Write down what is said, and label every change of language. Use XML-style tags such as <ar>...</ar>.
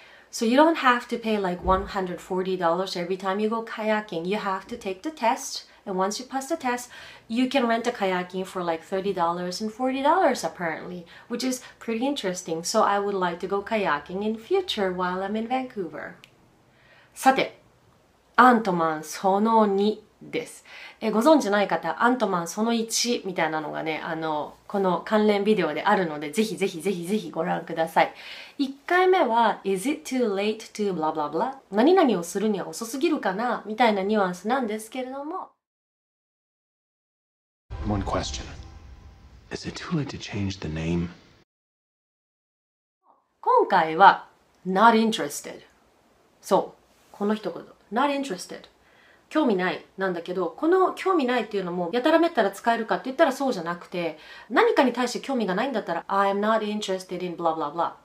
<en>So you don't have to pay like $140 every time you go kayaking. You have to take the test, and once you pass the test, you can rent a kayaking for like $30 and $40 apparently, which is pretty interesting. So I would like to go kayaking in future while I'm in Vancouver.</en> <ja>さて、アントマンその2です。ご存知ない方、アントマンその1みたいなのがね、この関連ビデオであるので、ぜひぜひぜひぜひご覧ください。 1回目は、</ja> <en>Is it too late to blah blah blah?</en> <ja>何々をするには遅すぎるかなみたいなニュアンスなんですけれども。</ja> <en>One question. Is it too late to change the name?</en> <ja>今回は、</ja> <en>Not interested.</en> <ja>そう、この一言。Not interested. 興味ないなんだけど、この興味ないっていうのもやたらめったら使えるかって言ったらそうじゃなくて、何かに対して興味がないんだったら</ja> <en>I'm not interested in blah blah</en> <ja>blah。</ja>